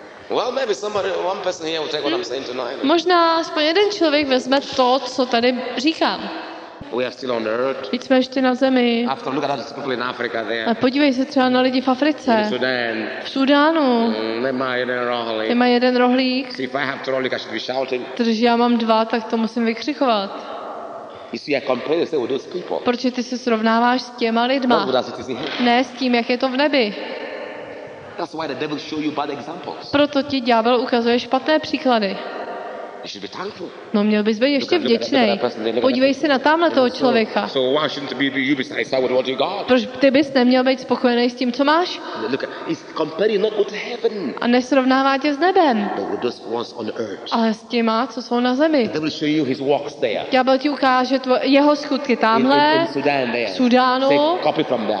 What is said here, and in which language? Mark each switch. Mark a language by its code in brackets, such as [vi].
[en] Well, maybe somebody, one person here will take what I'm saying tonight. [cs] Možná aspoň jeden člověk vezme to, co tady říkám. [en] We are still on earth. [cs] Vždyť jsme ještě na zemi. [en] After look at those people in Africa there. [cs] A podívej se třeba na lidi v Africe. [en] In Sudan. [cs] V Sudánu. Nemá jeden rohlík. Nemá jeden rohlík. [en] See, if I have two rohlíks, I should be shouting. [cs] Protože já mám dva, tak to musím vykřikovat. [en] You see, I compare yourself with those people. [cs] Proč ty se srovnáváš s těma lidma? [en] Not with us, it is in heaven. [cs] Ne s tím, jak je to v nebi. [en] That's why the devil show you bad examples. [cs] Proto ti ďábel ukazuje špatné příklady. [en] You should be thankful. [cs] No, měl bys být ještě vděčný. Podívej se na tamhle toho člověka. [en] So why shouldn't you be satisfied with what you got? [cs] Proč ty bys neměl být spokojený s tím, co máš? [en] Look, it's comparing not with heaven. [cs] A nesrovnává tě s nebem. [en] But with those ones on earth. [cs] Ale s těma, co jsou na zemi. [en] The devil show you his works there. [cs] Ďábel ti ukáže jeho skutky tamhle. [en] In Sudan there. [cs] V Sudánu. [en] Say, copy from there.